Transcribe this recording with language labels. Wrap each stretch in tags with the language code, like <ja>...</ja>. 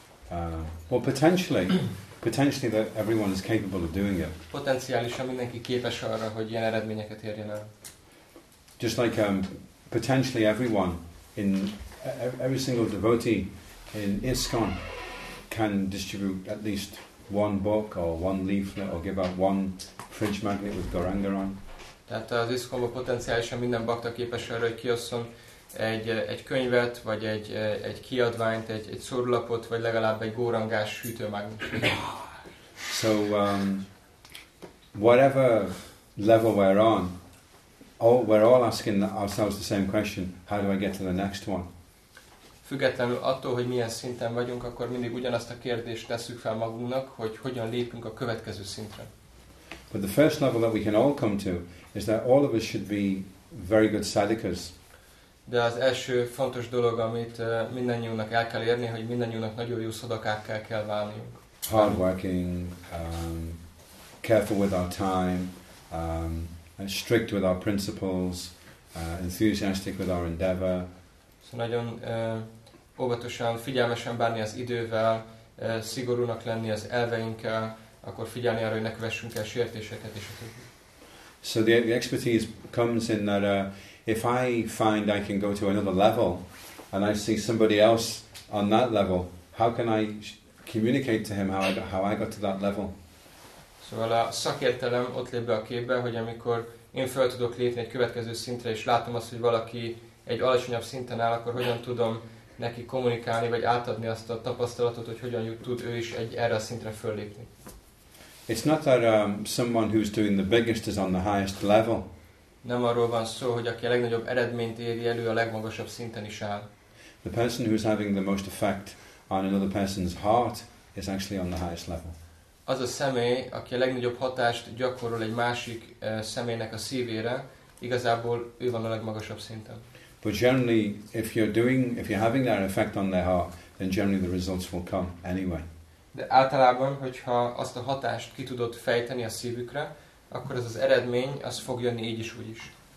<en>Well, potentially that everyone is capable of doing it.</en> <hu>Potenciálisan mindenki képes arra, hogy ilyen eredményeket érjen el.</hu> <en>Just like potentially everyone in every single devotee in ISKCON can distribute at least one book or one leaflet or give out one fridge magnet with Gauranga on.</en> <hu>Tehát az ISKCON-ban potenciálisan minden bakta képes arra, hogy kiosszon egy könyvet, vagy egy kiadványt, egy szórólapot, vagy legalább egy gaurangás hűtőmágnet.</hu> <en>So, whatever level we're on, we're all asking ourselves the same question, how do I get to the next one?</en> <hu>Függetlenül attól, hogy milyen szinten vagyunk, akkor mindig ugyanazt a kérdést tesszük fel magunknak, hogy hogyan lépünk a következő szintre.</hu> <en>But the first level that we can all come to is that all of us should be very good sadhikas.</en> <hu>De az első fontos dolog, amit mindannyiunknak el kell érni, hogy mindannyiunknak nagyon jó szadakákká kell válniunk.</hu> <en>Hardworking, careful with our time, strict with our principles, enthusiastic with our endeavor.</en> <hu>Szóval nagyon óvatosan, figyelmesen bánni az idővel, szigorúnak lenni az elveinkkel, akkor figyelni arra, hogy ne kövessünk el sértéseket, és a többi.</hu> <en>So the expertise comes in that if I find I can go to another level, and I see somebody else on that level, how can I communicate to him how I got to that level?</en> <hu>Szóval a szakértelem ott lép be a képbe, hogy amikor én fel tudok lépni egy következő szintre, és látom azt, hogy valaki egy alacsonyabb szinten áll, akkor hogyan tudom neki kommunikálni, vagy átadni azt a tapasztalatot, hogy hogyan tud ő is erre a szintre föllépni.</hu> <en>It's not that someone who's doing the biggest is on the highest level.</en> <hu>Nem arról van szó, hogy aki a legnagyobb eredményt éri elő, a legmagasabb szinten is áll.</hu> <en>The person who's having the most effect on another person's heart is actually on the highest level.</en> <hu>Az a személy, aki a legnagyobb hatást gyakorol egy másik személynek a szívére, igazából ő van a legmagasabb szinten.</hu> <en>But generally, if you're having that effect on their heart, then generally the results will come anyway.</en> <hu>De általában, hogyha azt a hatást ki tudod fejteni a szívükre, akkor ez az eredmény, az fog jönni így is, úgy is.</hu>